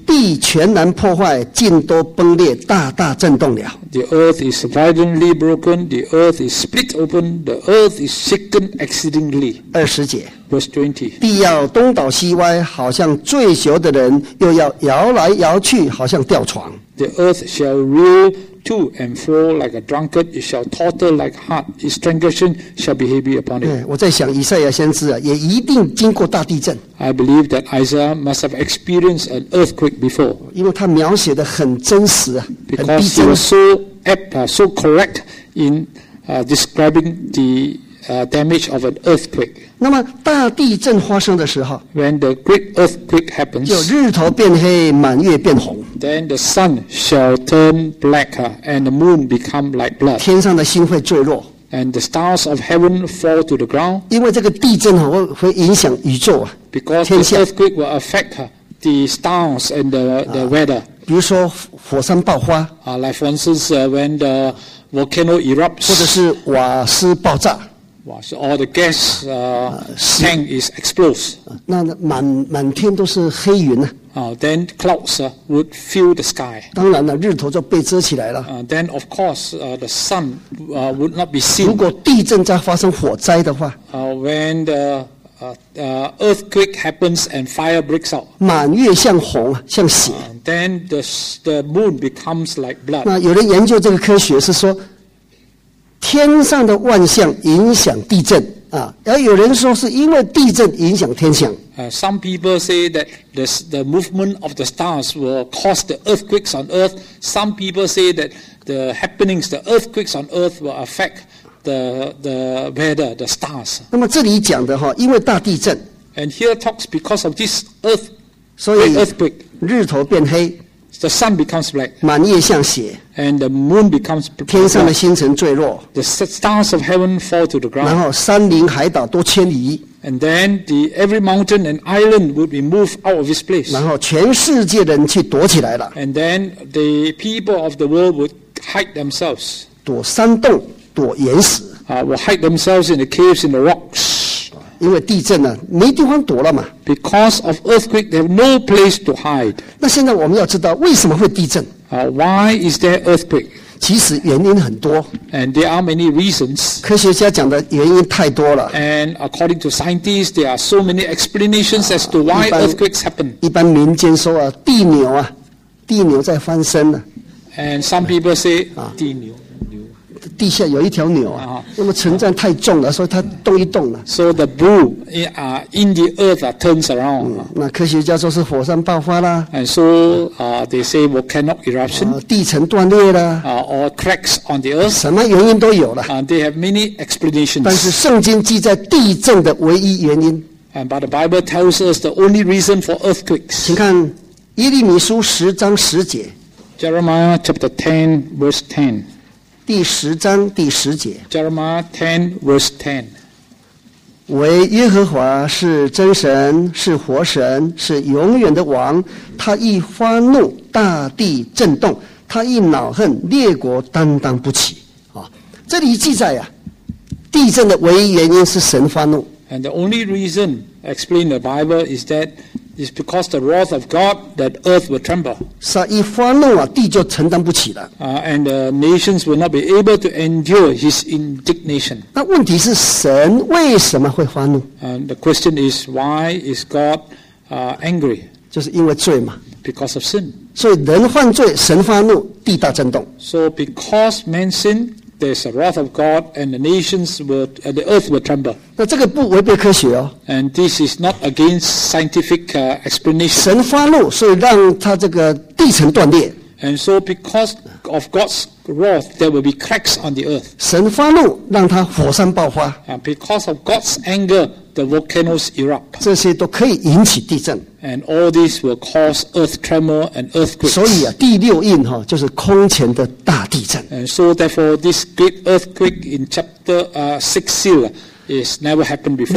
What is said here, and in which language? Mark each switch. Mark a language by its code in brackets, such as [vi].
[zh] 地全然破坏，尽都崩裂，大大震动了。 [en] The earth is violently broken, the earth is split open, the earth is shaken exceedingly. [zh] 20节。 [en] Verse 20. [zh] 地要东倒西歪，好像醉酒的人，又要摇来摇去，好像吊床。 [en] The earth shall reel. To and fro like a drunkard, it shall totter like heart. Its transgression shall be heavy upon it. [zh] 我在想，以赛亚先知啊，也一定经过大地震。 [en] I believe that Isaiah must have experienced an earthquake before. [zh] 因为他描写的很真实啊，很逼真。 [en] Because he was so apt, so correct in describing the damage of an earthquake. [zh] 那么大地震发生的时候 [en] ，when the great earthquake happens, [zh] 就日头变黑，满月变红。 [en] Then the sun shall turn black, and the moon become like blood. [zh] 天上的星会坠落 [en] ，and the stars of heaven fall to the ground. [zh] 因为这个地震哦，会影响宇宙啊。 [en] Because the earthquake will affect the stars and the weather. [zh] 比如说火山爆发 [en] like for instance, when the volcano erupts. [zh] 或者是瓦斯爆炸。 [en] So all the gas tank is exposed. [zh] 那满天都是黑云啊。 [en] Then clouds would fill the sky. [zh] 当然了，日头就被遮起来了。 [en] Then of course, the sun would not be seen. [zh] 如果地震在发生火灾的话。 [en] When the earthquake happens and fire breaks out. [zh] 满月像红，像血。 [en] Then the moon becomes like blood. [zh] 那有人研究这个科学是说。天上的万象影响地震啊，而有人说是因为地震影响天象。 [en] Some people say that the movement of the stars will cause the earthquakes on Earth. Some people say that the happenings, the earthquakes on Earth will affect the weather, the stars. [zh] 那么这里讲的哈，因为大地震。 [en] And here talks because of this earth, great earthquake. [zh] 日头变黑。 [en] The sun becomes black. [zh] 满夜像血。 [en] And the moon becomes black. [zh] 天上的星辰坠落。 [en] The stars of heaven fall to the ground. [zh] 然后山林海岛都迁移。 [en] And then every mountain and island would be moved out of its place. [zh] 然后全世界人去躲起来了。 [en] And then the people of the world would hide themselves. [zh] 躲山洞，躲岩石。 [en] Will hide themselves in the caves, in the rocks. [zh] 因为地震呢、啊，没地方躲了嘛。 [en] Because of earthquake, they have no place to hide. [zh] 那现在我们要知道为什么会地震 [en] ？Why is there earthquake？ [zh] 其实原因很多。 [en] And there are many reasons. [zh] 科学家讲的原因太多了。 [en] And according to scientists, there are so many explanations as to why earthquakes happen. [zh] 一般民间说啊，地牛啊，地牛在翻身了、 [en] 啊。And some people say 地牛。 [zh] 地下有一条牛啊，那么承载太重了，所以它动一动了。 [en] So the bull in the earth turns around、嗯。 [zh] 那科学家说是火山爆发啦。 [en] And so they say volcanic eruption、啊。 [zh] 地层断裂啦。 [en] Or cracks on the earth。 [zh] 什么原因都有了。 [en] They have many explanations。 [zh] 但是圣经记载地震的唯一原因。 [en] And but the Bible tells us the only reason for earthquakes。 [zh] 请看耶利米书十章十节。 [en] Jeremiah chapter 10 verse 10。 [zh] 第十章第十节 [en] Jeremiah 10 verse 10 [zh] 为耶和华是真神是活神是永远的王他一发怒大地震动他一恼恨列国担当不起、哦、这里记载、啊、地震的唯一原因是神发怒 [en] And the only reason explained in the Bible is that it's because the wrath of God that earth will tremble [zh] 是、啊、一发怒啊地就承担不起了、 [en] and the nations will not be able to endure his indignation [zh] 那问题是神为什么会发怒 [en] and the question is why is God angry [zh] 就是因为罪嘛 [en] because of sin [zh] 所以人犯罪神发怒地大震动 [en] so because man sin there's a wrath of God and the nations will the earth will tremble [zh] 那这个不违背科学哦 [en] and this is not against scientific explanation [zh] 神发怒所以让他这个地层断裂 [en] and so because of God's wrath there will be cracks on the earth [zh] 神发怒让他火山爆发 [en] and because of God's anger the volcanoes erupt [zh] 这些都可以引起地震 [en] and all this will cause earth tremble and earthquakes [zh] 所以啊第六印、哦、就是空前的大地震 [en] and so therefore this great earthquake in chapter 6 seal is never happened before